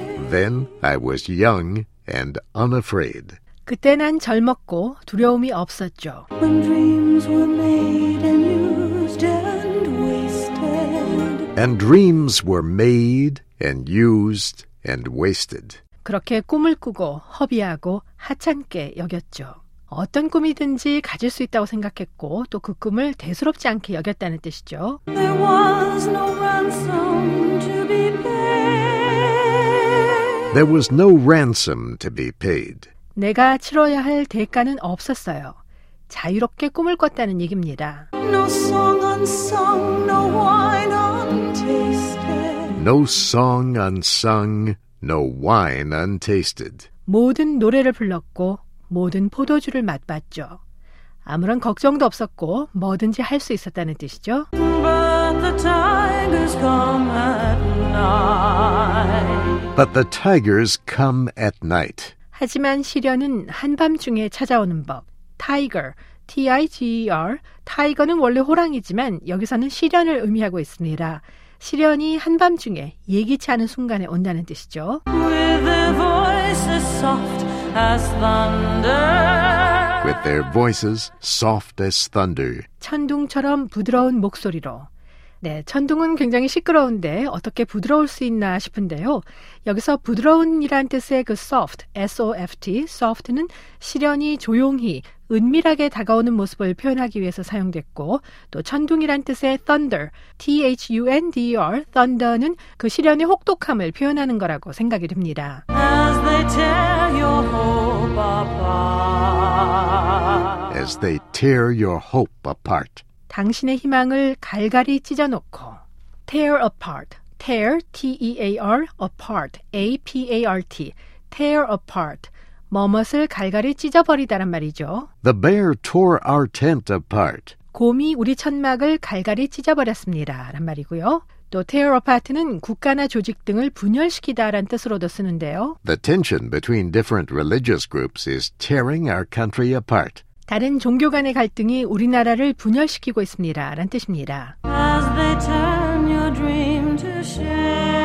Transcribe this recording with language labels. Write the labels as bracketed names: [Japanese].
[English] Then I was young and unafraid. [Korean] 그때 난 젊었고 두려움이 없었죠. [English] When dreams were made and used and wasted. And dreams were made and used and wasted. [Korean] 그렇게 꿈을 꾸고 허비하고 하찮게 여겼죠. 어떤 꿈이든지 가질 수 있다고 생각했고 또 그 꿈을 대수롭지 않게 여겼다는 뜻이죠. [English] There was no ransom to be paid. There was no ransom to be paid. [Korean] 내가 치러야 할 대가는 없었어요. 자유롭게 꿈을 꿨다는 얘기입니다. [English] No song unsung, no wine untasted. No song unsung, no wine untasted. [Korean] 모든 노래를 불렀고 모든 포도주를 맛봤죠. 아무런 걱정도 없었고 뭐든지 할 수 있었다는 뜻이죠. [English] But the tigers come at night. But the tigers come at night. [Korean] 하지만 시련은 한밤중에 찾아오는 법. [English] Tiger, T-I-G-E-R. [Korean] 타이거는 원래 호랑이지만 여기서는 시련을 의미하고 있습니다. 시련이 한밤중에 예기치 않은 순간에 온다는 뜻이죠. [English] With their voices soft as thunder. With their voices soft as thunder. [Korean] 천둥처럼 부드러운 목소리로. 네, 천둥은 굉장히 시끄러운데 어떻게 부드러울 수 있나 싶은데요. 여기서 부드러운이란 뜻의 그 soft, S-O-F-T, soft는 시련이 조용히, 은밀하게 다가오는 모습을 표현하기 위해서 사용됐고 또 천둥이란 뜻의 thunder, T-H-U-N-D-E-R, thunder는 그 시련의 혹독함을 표현하는 거라고 생각이 듭니다. [English] As they tear your hope apart. As they tear your hope apart. [Korean] 당신의 희망을 갈갈이 찢어놓고 tear apart, tear, T-E-A-R, apart, A-P-A-R-T, tear apart, 뭐뭇을 갈갈이 찢어버리다란 말이죠. [English] The bear tore our tent apart. [Korean] 곰이 우리 천막을 갈갈이 찢어버렸습니다. 라는 말이고요. 또 tear apart는 국가나 조직 등을 분열시키다란 뜻으로도 쓰는데요. [English] The tension between different religious groups is tearing our country apart. [Korean] 다른 종교 간의 갈등이 우리나라를 분열시키고 있습니다. 라는 뜻입니다. [English] As they turn your dream to shame.